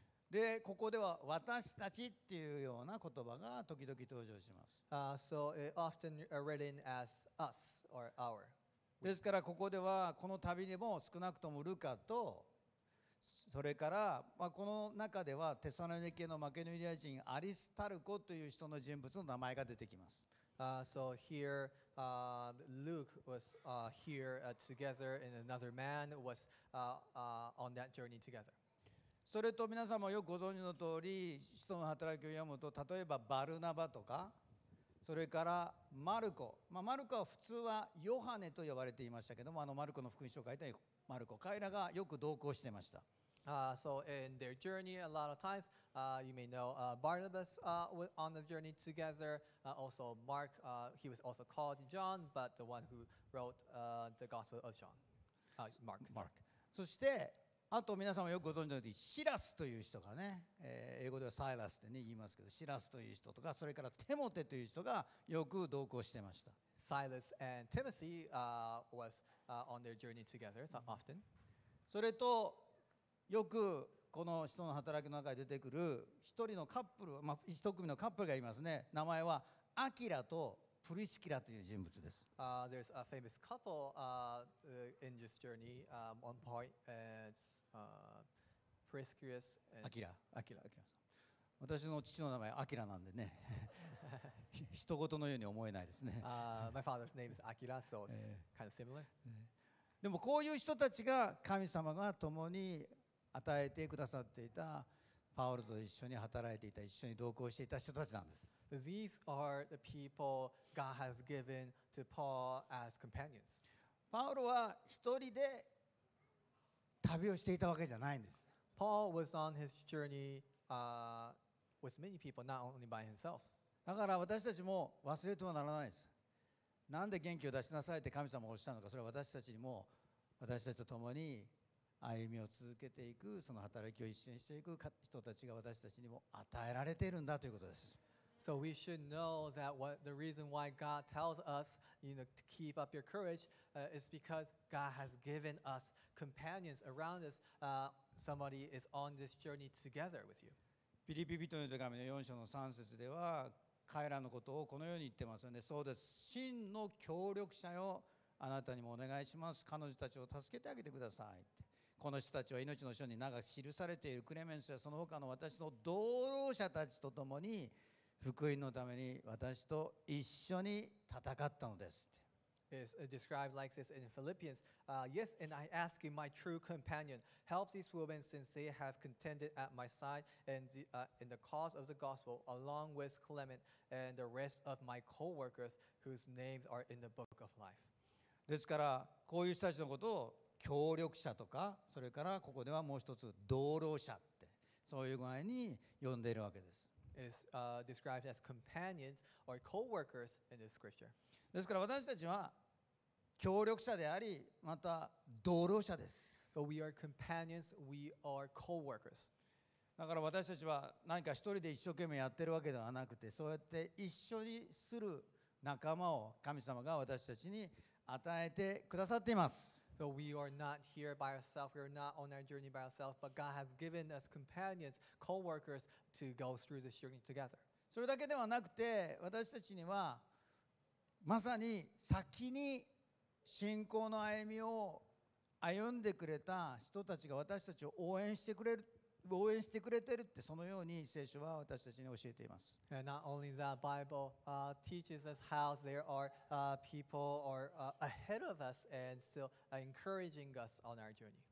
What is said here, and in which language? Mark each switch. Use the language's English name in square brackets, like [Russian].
[Japanese] でここでは私たちっていうような言葉が時々登場します。 [English] So often written as us or our. [Japanese] ですからここではこの旅でも少なくともルカとそれから、まあ、この中ではテサロニケのマケドニア人アリスタルコという人の人物の名前が出てきます。 [English] So here Luke was here together and another man was on that journey together. [Japanese] それと皆さんもよくご存知の通り、使徒の働きを読むと、例えばバルナバとか、それからマルコ、まあ、マルコは普通はヨハネと呼ばれていましたけども、あのマルコの福音書を書いたマルコ、彼らがよく同行していました。 [English] So in their journey, a lot of times, you may know Barnabas was on the journey together. Also Mark, he was also called John, but the one who wrote the Gospel of John, Mark. [Japanese] そしてあと皆さんもよくご存知のようにシラスという人がね、英語ではサイラスって、ね、言いますけど、シラスという人とか、それからテモテという人がよく同行してました。 [English] Silas and Timothy was on their journey together so often. [Japanese] それとよくこの人の働きの中に出てくる一人のカップル、まあ、一組のカップルがいますね。名前はアキラとプリスキラという人物です。 [English] There's a famous couple in this journey. One point is Priscus and Akira. Akira, Akira. [Japanese] 私の父の名前はアキラなんでね、一言のように思えないですね。 [English] My father's name is Akira, so kind of similar. [Japanese] でもこういう人たちが神様が共に与えてくださっていた。パウロと一緒に働いていた、一緒に同行していた人たちなんです。 [English] These are the people God has given to Paul as companions. [Japanese] パウロは一人で旅をしていたわけじゃないんです。 [English] Paul was on his journey with many people, not only by himself. [Japanese] だから私たちも忘れてはならないです。なんで元気を出しなさいって神様がおっしゃるのか、それは私たちにも私たちと共に歩みを続けていく、その働きを一緒にしていく人たちが私たちにも与えられているんだということです。 [English] So we should know that what the reason why God tells us, you know, to keep up your courage, is because God has given us companions around us. Somebody is on this journey together with you. [Japanese] ピリピ人への手紙の4章の3節では、彼らのことをこのように言ってますよね。そうです。真の協力者よ、あなたにもお願いします。彼女たちを助けてあげてください。この人たちは命の書に長く記されているクレメンスやその他の私の同労者たちと共に福音のために私と一緒に戦ったのです。 [English] is described like this in Philippians. Yes, and I ask in my true companion, help these women since they have contended at my side and in the cause of the gospel, along with Clement and the rest of my co-workers whose names are in the book of life. [Japanese] ですからこういう人たちのことを協力者とか、それからここではもう一つ同労者ってそういう具合に呼んでいるわけです。 [English] Is described as companions or co-workers in this scripture. [Japanese] ですから私たちは協力者であり、また同労者です。 [English] So we are companions, we are co-workers. [Japanese] だから私たちは何か一人で一生懸命やってるわけではなくて、そうやって一緒にする仲間を神様が私たちに与えてくださっています。 [English] So we are not here by ourselves. We are not on our journey by ourselves. But God has given us companions, co-workers to go through this journey together. [Japanese] それだけではなくて、私たちにはまさに先に信仰の歩みを歩んでくれた人たちが私たちを応援してくれる。応援してくれてるって、そのように聖書は私たちに教えています。 [English] And not only that, Bible teaches us how there are people are ahead of us and still encouraging us on our journey.